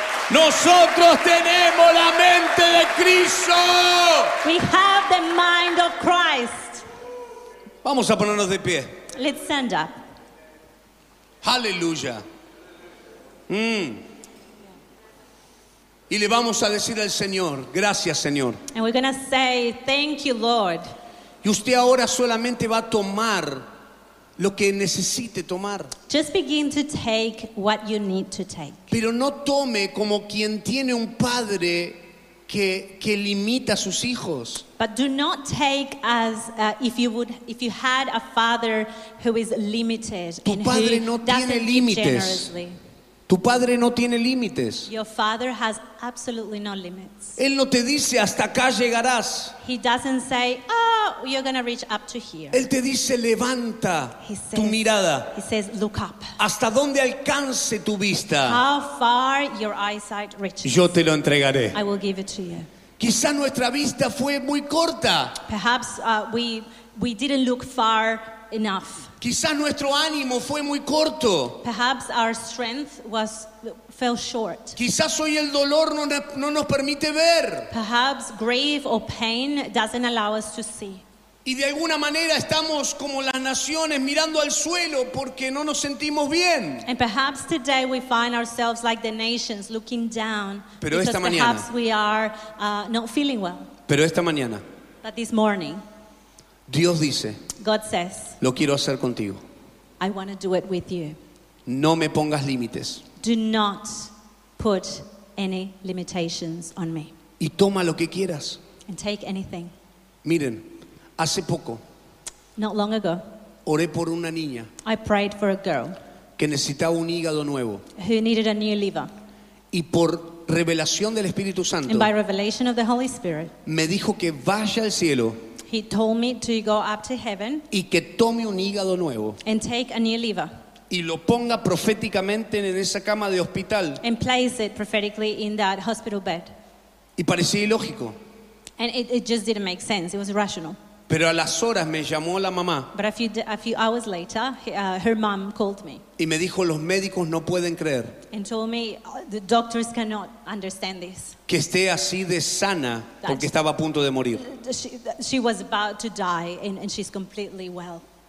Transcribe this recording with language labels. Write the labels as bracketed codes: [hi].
[es] Nosotros tenemos la mente de Cristo. [en] We have the mind of Christ. [es] Vamos a ponernos de pie. [en] Let's stand up. [es] Aleluya. Y le vamos a decir al Señor, gracias, Señor. [en] And we're going to say, thank you, Lord. [es] Y usted ahora solamente va a tomar lo que necesite tomar. [en] Just begin to take what you need to take. [es] Pero no tome como quien tiene un padre que limita a sus hijos. [en] But do not take as if you had a father who is limited. [es] Tu padre no tiene límites. Tu padre no tiene límites. [en] Your father has absolutely no limits. [es] Él no te dice hasta acá llegarás. [en] He doesn't say, oh, you're going to reach up to here. [es] Él te dice, levanta tu mirada. [en] He says, look up. [es] Hasta donde alcance tu vista. [en] How far your eyesight reaches. [es] Yo te lo entregaré. [en] I will give it to you. [es] Quizá nuestra vista fue muy corta. [en] Perhaps we didn't look far enough. [es] Quizá nuestro ánimo fue muy corto. [en] Perhaps our strength was fell short. [es] Quizás hoy el dolor no nos permite ver. [en] Perhaps grief or pain doesn't allow us to see. [es] Y de alguna manera estamos como las naciones mirando al suelo porque no nos sentimos bien. [en] And perhaps today we find ourselves like the nations looking down. [es] Pero [en] because [es] esta mañana, [en] perhaps we are not feeling well. [es] Pero esta mañana, [en] but this morning, [es] Dios dice, [en] God says, [es] lo quiero hacer contigo. [en] I want to do it with you. [es] No me pongas límites. [en] Do not put any limitations on me. [es] Y toma lo que quieras. [en] And take anything. [es] Miren, hace poco, [en] not long ago, [es] oré por una niña. [en] I prayed for a girl [es] que necesitaba un hígado nuevo. [en] Who needed a new liver. [es] Y por revelación del Espíritu Santo, [en] and by revelation of the Holy Spirit, [es] me dijo que vaya al cielo. [en] He told me to go up to heaven [es] y que tome un hígado nuevo. [en] And take a new liver. [es] Y lo ponga proféticamente en esa cama de hospital. [en] And place it prophetically in that hospital bed. [es] Y parecía ilógico. [en] And it just didn't make sense. It was irrational. [es] Pero a las horas me llamó la mamá. [en] But a few hours later, her mom called me. [es] Y me dijo, los médicos no pueden creer. [en] And told me, the doctors cannot understand this. [es] Que esté así de sana porque estaba a punto de morir. [en] She was about to die and she's completely well.